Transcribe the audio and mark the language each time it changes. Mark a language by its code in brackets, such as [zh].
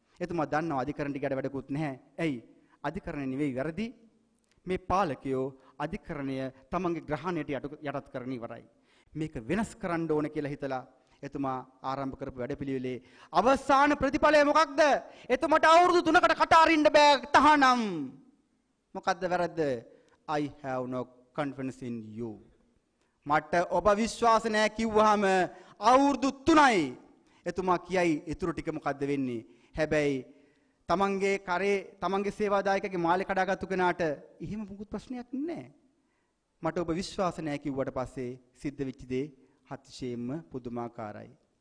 [si] එතුමා දන්නවා අධිකරණ ටිකට වැඩකුත් නැහැ. ඇයි? අධිකරණය නෙවෙයි වැරදි, මේ පාලකයෝ අධිකරණය තමන්ගේ ග්‍රහණයට යටත් කරන ඉවරයි. මේක වෙනස් කරන්න ඕන කියලා හිතලා එතුමා ආරම්භ කරපු වැඩපිළිවෙලේ අවසාන ප්‍රතිඵලය මොකක්ද? එතුමට අවුරුදු 3කට කට අරින්න බෑ තහනම්. මොකද්ද වැරද්ද? [en] I have no confidence in you. [si] මට ඔබ විශ්වාස නැහැ කිව්වහම අවුරුදු 3යි. එතුමා කියයි ඊටු ටික මොකද්ද වෙන්නේ. හැබැයි තමන්ගේ කරේ තමන්ගේ සේවාදායකගේ මාලෙ කඩාගත්තු කෙනාට එහෙම මොකුත් ප්‍රශ්නයක් නැහැ. මට ඔබ විශ්වාස නැහැ කිව්වට පස්සේ සිද්ධ වෙච්ච දේ අතිශයින්ම පුදුමාකාරයි.